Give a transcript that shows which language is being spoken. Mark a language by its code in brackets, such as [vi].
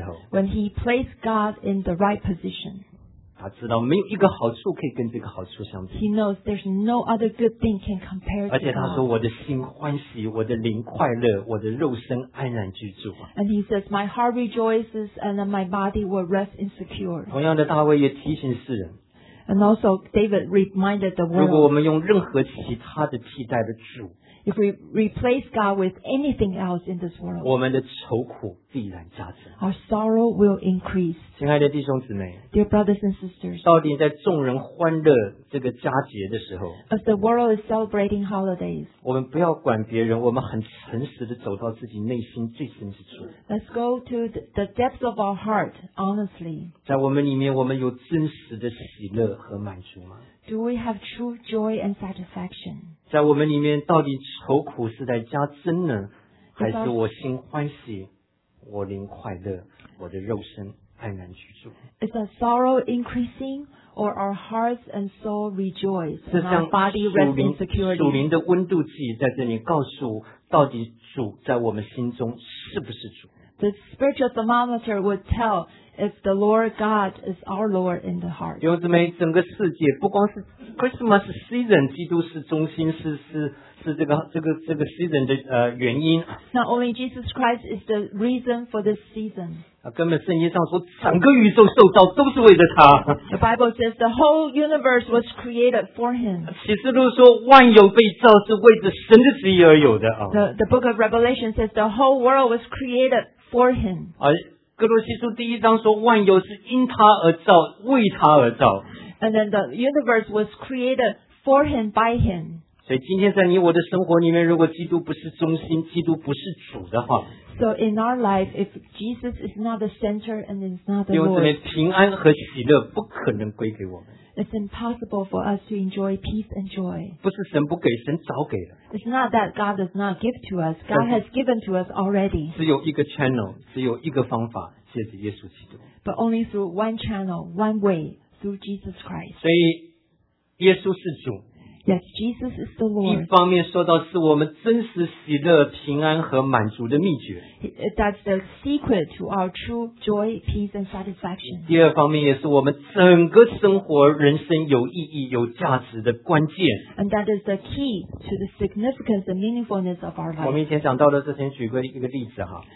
[en] When he placed God in the right position. [zh] 他知道没有一个好处可以跟这个好处相比。 [en] He knows there's no other good thing can compare to God. [zh] 而且他说我的心欢喜，我的灵快乐，我的肉身安然居住。 [en] And he says my heart rejoices and my body will rest insecure. [zh] 同样的，大卫也提醒世人。 [en] And also David reminded the world. [zh] 如果我们用任何其他的替代的主， [en] If we replace God with anything else in this world, [zh] 我们的愁苦必然加增。 [en] Our sorrow will increase. [zh] 亲爱的弟兄姊妹， [en] Dear brothers and sisters, [zh] 到底在众人欢乐这个佳节的时候， [en] As the world is celebrating holidays, [zh] 我们不要管别人， 我们很诚实地走到自己内心最深之处。 [en] Let's go to the depths of our heart, honestly. [zh] 在我们里面， 我们有真实的喜乐和满足吗？ [en] Do we have true joy and satisfaction? [zh] 在我们里面到底愁苦是在加增呢，还是我心欢喜，我灵快乐，我的肉身安然居住？ [en] Is our sorrow increasing or our hearts and soul rejoice and our body rest in security? [zh] 属灵的温度计在这里告诉到底主在我们心中是不是主？ [en] The spiritual thermometer would tell if the Lord God is our Lord in the heart. [zh] 弟兄姊妹，整个世界不光是 Christmas season， 基督是中心，是这个 season 的原因。 [en] Not only Jesus Christ is the reason for this season. [zh] 根本圣经上说，整个宇宙受造都是为了他。 [en] The Bible says the whole universe was created for him. [zh] 启示录说，万有被造是为着神的旨意而有的。 [en] The book of Revelation says the whole world was created for him. [zh] 哥罗西书第一章说，万有是因他而造，为他而造。 [en] And then the universe was created for him by him. [zh] 所以今天在你我的生活里面，如果基督不是中心，基督不是主的话， [en] So in our life, if Jesus is not the center and is not the Lord, [zh] 因为平安和喜乐不可能归给我们。 [en] It's impossible for us to enjoy peace and joy. [zh] 不是神不给，神早给了。 [en] It's not that God does not give to us. God has given to us already. [zh] 只有一个 channel， 只有一个方法，借着耶稣基督。 [en] But only through one channel, one way, through Jesus Christ. [zh] 所以耶稣是主。 [en] Yes, Jesus is the Lord. [zh] 一方面说到是我们真实喜乐、平安和满足的秘诀。 [en] That's the secret to our true joy, peace, and satisfaction. [zh] 第二方面也是我们整个生活、人生有意义、有价值的关键。 [en] And that is the key to the significance and meaningfulness of our life. [zh] 我们以前讲到的，之前举过一个例子哈。